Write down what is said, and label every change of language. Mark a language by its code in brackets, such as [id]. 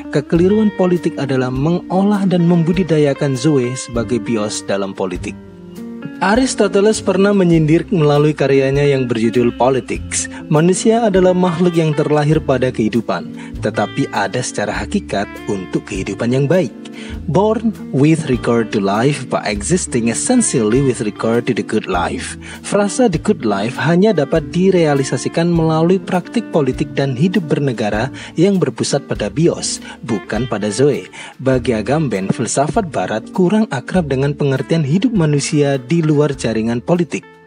[id] Kekeliruan politik adalah mengolah dan membudidayakan Zoe sebagai Bios dalam politik. Aristoteles pernah menyindir melalui karyanya yang berjudul Politics, manusia adalah makhluk yang terlahir pada kehidupan, tetapi ada secara hakikat untuk kehidupan yang baik. [en] Born with regard to life, but existing essentially with regard to the good life. [id] Frasa the good life hanya dapat direalisasikan melalui praktik politik dan hidup bernegara yang berpusat pada bios, bukan pada Zoe. Bagi Agamben, filsafat barat kurang akrab dengan pengertian hidup manusia di luar jaringan politik.